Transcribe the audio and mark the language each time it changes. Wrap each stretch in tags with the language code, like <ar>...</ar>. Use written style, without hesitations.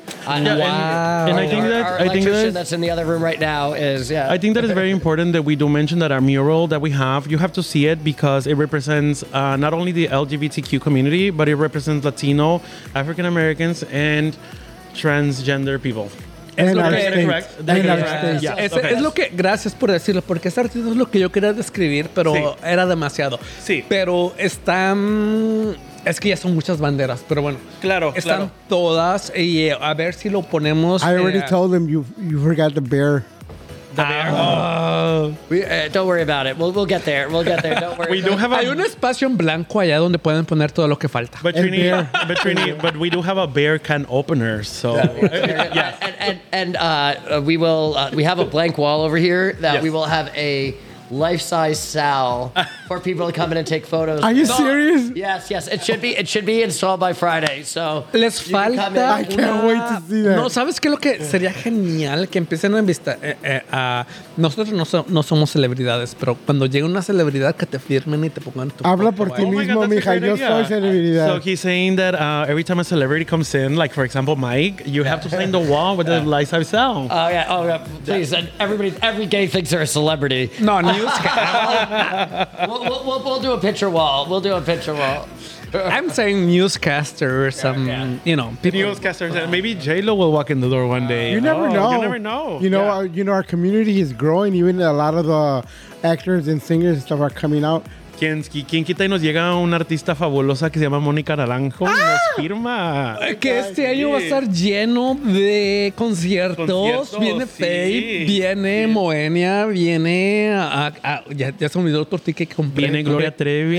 <en>And I think that's in the other room right now is yeah. I think that is very important that we do mention that our mural that we have, you have to see it because it represents not only the LGBTQ community, but it represents Latino, African Americans, and transgender people.</en> <es>Es lo que, gracias por decirlo, porque este artista es lo que yo quería describir, pero sí. era demasiado. Sí. Pero están. Es que ya son muchas banderas, pero bueno. Claro, están claro. todas. Y a ver si lo ponemos.</es> <en>I already told them you forgot the bear. Don't worry about it. We'll get there. Don't worry.</en> <es>Hay un espacio en blanco allá donde pueden poner todo lo que falta.</es> <en>But we do have a bear can opener. So we have a blank wall over here that yes. we will have a life-size Sal for people to come in and take photos. Are you serious? Yes, yes. It should be installed by Friday. So</en> <es>les falta.</es> <en>I can't wait to see that.</en> <es>No, sabes qué lo que sería genial que empiecen a invitar. Nosotros no somos celebridades, pero cuando llegue una celebridad que te firmen y te pongan tu. Habla por ti mismo, mija. Yo soy celebridad.</es> <en>So he's saying that every time a celebrity comes in, like for example Mike, you have to sign the wall with the life-size Sal. Oh yeah. Oh yeah. Please. And every gay thinks they're a celebrity. No. we'll do a picture wall. We'll do a picture wall. I'm saying newscaster or some, yeah. you know, people. Newscasters. Maybe J-Lo will walk in the door one day. You never know. You never know. You know, you know, our community is growing. Even a lot of the actors and singers and stuff are coming out.</en> <es>¿Quién quita y nos llega una artista fabulosa que se llama Mónica Naranjo? ¡Ah! ¡Nos firma! Que este año va a estar lleno de conciertos. Viene sí. Faith, viene sí. Moenia, viene... Ya se me olvidó el tortique que compré. Viene Gloria Trevi.</es>